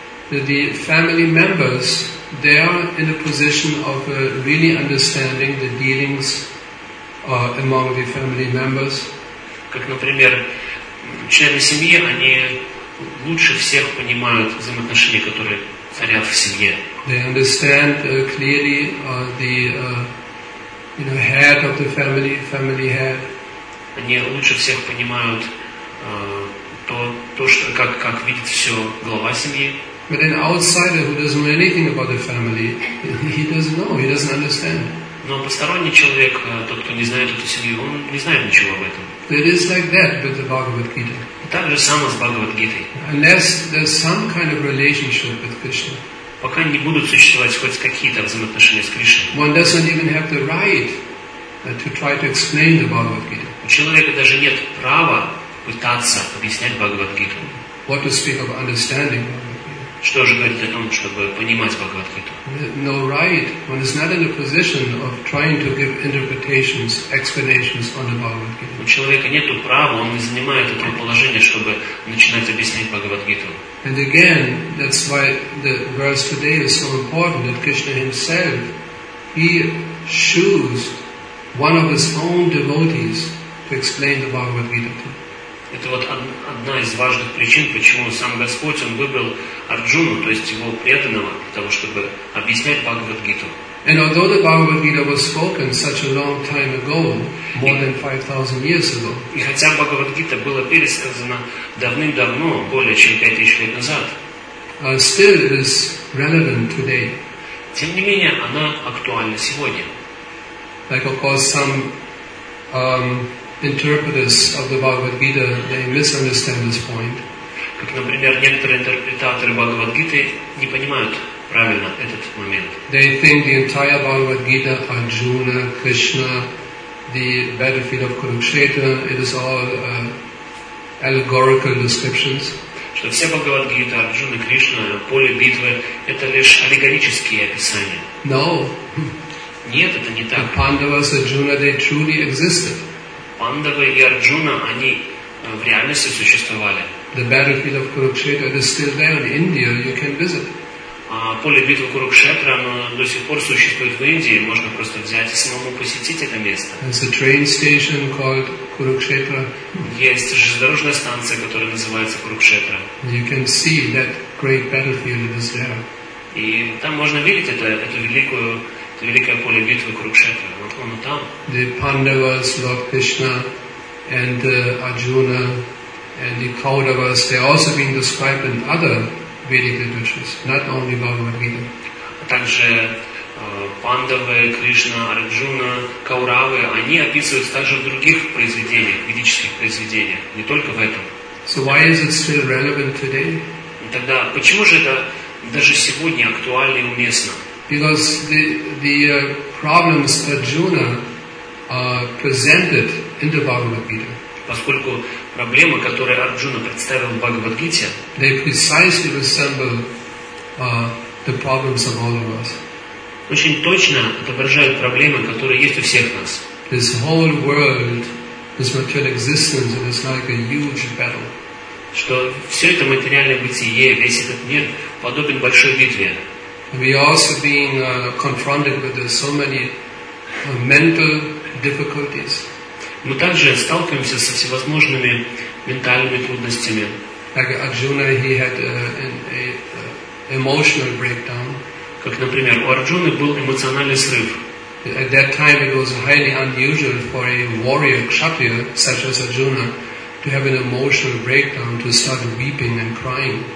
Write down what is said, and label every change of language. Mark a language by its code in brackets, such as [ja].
[en] The family members, they are in a position of really understanding the dealings among the family members. [ru] Как, например, члены семьи, они лучше всех понимают взаимоотношения, которые царят в семье. [en] They understand clearly the you know, head of the family, family head. [ru] Они лучше всех понимают то, что как видит все глава семьи. [en] But an outsider who doesn't know anything about the family, he doesn't know, he doesn't understand. [ru] Но посторонний человек, тот, кто не знает эту семью, он не знает ничего об этом. [en] It is like that with the Bhagavad Gita. [ru] Так же самое с Бхагавад Гитой. [en] Unless there's some kind of relationship with Krishna. [ru] Пока не будут существовать хоть какие-то взаимоотношения с Кришной. [en] One doesn't even have the right to try to explain the Bhagavad Gita. [ru] У человека даже нет права пытаться объяснять Бхагавад Гиту. [en] What to speak of understanding? [ru] Что же говорить о том, чтобы понимать Бхагавад Гиту? [en] No right. One is not in a position of trying to give interpretations, explanations on the Bhagavad Gita. [ru] У человека нету права, он не занимает этого положения, чтобы начинать объяснять Бхагавад Гиту. [en] And again, that's why the verse today is so important, that Krishna himself, he chose one of his own devotees to explain the Bhagavad Gita to. [ru] Это вот одна из важных причин, почему сам Господь, он выбрал Арджуну, то есть его преданного, для того, чтобы объяснять Бхагавад-гиту. [en] And although the Bhagavad-gita was spoken such a long time ago, more than 5,000 years ago, [ru] и хотя Бхагавад-гита была пересказана давным-давно, более чем 5000 лет назад, [en] still it is relevant today. [ru] Тем не менее, она актуальна сегодня. [en] Like, of course, some interpreters of the Bhagavad Gita, they misunderstand this point. [ru] Как, например, некоторые интерпретаторы Бхагавад Гиты не понимают правильно этот момент. [en] They think the entire Bhagavad Gita, Arjuna, Krishna, the battlefield of Kurukshetra, it is all allegorical descriptions. [ru] Что все Бхагавад Гита, Арджуна, Кришна, поле битвы, это лишь аллегорические описания. [en] No. [ru] Нет, это не так. [en] The Pandavas, Arjuna, they truly existed. [ru] Пандавы и Арджуна, они в реальности существовали. [en] The battlefield of Kurukshetra is still there in India, you can visit. [ru] Поле битвы Курукшетра, оно до сих пор существует в Индии, можно просто взять и самому посетить это место. [en] There's a train station called Kurukshetra. [ru] Есть железнодорожная станция, которая называется Курукшетра. [en] You can see that great battlefield that is there. [ru] И там можно видеть это великое поле битвы Курукшетра. [en] The Pandavas, Lord Krishna, and Arjuna, and the Kauravas, they are also being described in other Vedic literatures, not only Bhagavad Gita. [ru] Также Пандавы, Кришна, Арджуна, Кауравы, они описываются также в других произведениях, ведических произведениях, не только в этом. [en] So why is it still relevant today? [ru] Тогда почему же это даже сегодня актуально и уместно? [en] Because the problems Arjuna presented in the Bhagavad Gita. [ru] Поскольку проблемы, которые Арджуна представил в Бхагавад Гите, [en] they precisely resemble the problems of all of us. [ru] Очень точно отображают проблемы, которые есть у всех нас. [en] This whole world, this material existence, it is like a huge battle. [ru] Что все это материальное бытие, весь этот мир подобен большой битве. [en] We are also being confronted with so many mental difficulties. [ru] Мы также сталкиваемся со всевозможными ментальными трудностями. [en] Like Arjuna, he had an emotional breakdown. [ru] Как, например, у Арджуны был эмоциональный срыв. [en] At that time, it was highly unusual for a warrior kshatriya such as Arjuna to have an emotional breakdown, to start weeping and crying.